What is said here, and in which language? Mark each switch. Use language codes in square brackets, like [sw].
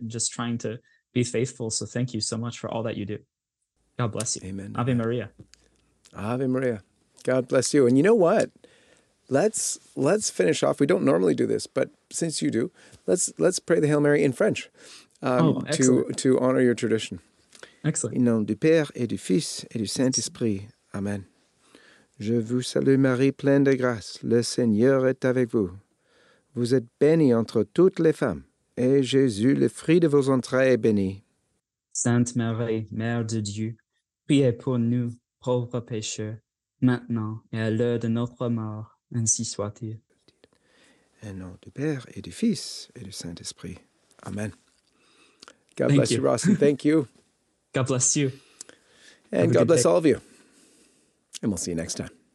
[en] And just trying to be faithful. So thank you so much for all that you do. God bless you. Amen. [la] Ave Maria. Ave Maria. [en] God bless you. And you know what? Let's finish off. We don't normally do this, but since you do, let's pray the Hail Mary in French. To honor your tradition. Excellent. [fr] In nom du Père et du Fils et du Saint-Esprit. Amen. Je vous salue, Marie, pleine de grâce. Le Seigneur est avec vous. Vous êtes bénie entre toutes les femmes. Et Jésus, le fruit de vos entrailles, est béni. Sainte Marie, Mère de Dieu, priez pour nous, pauvres pécheurs, maintenant et à l'heure de notre mort. Ainsi soit-il. In nom du Père et du Fils et du Saint-Esprit. Amen. [en] God thank bless you, Ross, and thank you. God bless you. And God bless all of you. And we'll see you next time.